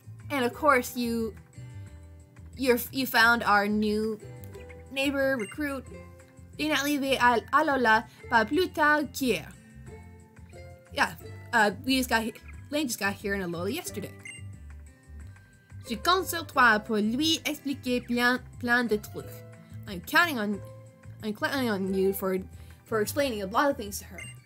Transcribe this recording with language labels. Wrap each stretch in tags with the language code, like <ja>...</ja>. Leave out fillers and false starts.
<en>And of course you found our new neighbor recruit.</en> <fr>Bien arrivé à Alola pas plus tard qu'hier.</fr> <en>Yeah. Lane just got here in Alola yesterday.</en> <fr>Je compte sur toi pour lui expliquer plein de trucs.</fr> <en>I'm counting on you for explaining a lot of things to her.</en>